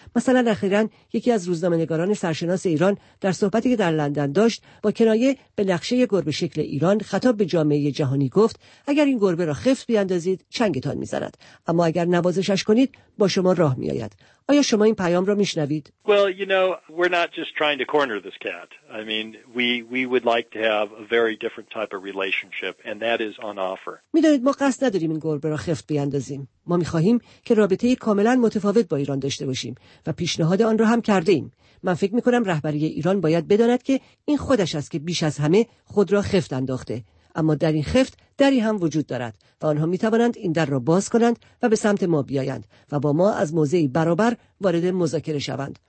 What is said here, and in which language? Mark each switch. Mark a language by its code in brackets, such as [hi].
[fa] مثلا اخیراً یکی از روزنامه‌نگاران سرشناس ایران در صحبتی که در لندن داشت با کنایه به نقشه گربه شکل ایران خطاب به جامعه جهانی گفت: اگر این گربه را خفت بیاندازید چنگتان می‌زند، اما اگر نوازشش کنید با شما راه می‌آید. آیا شما این پیام را میشنوید؟ [en] Well, you know, we're not just trying to corner this cat. I mean, we would like to have a very different type of relationship, and that is on offer. [fa] می‌دانید ما قصد نداریم این گربه را خفت بیاندازیم. ما می‌خواهیم که رابطه کاملا متفاوت با ایران داشته باشیم و پیشنهاد آن را هم کرده ایم. من فکر می‌کنم رهبری ایران باید بداند که این خودش است که بیش از همه خود را خفت انداخته. اما در این خفت دری هم وجود دارد و آنها می توانند این در را باز کنند و به سمت ما بیایند و با ما از موضعی برابر وارد مذاکره شوند.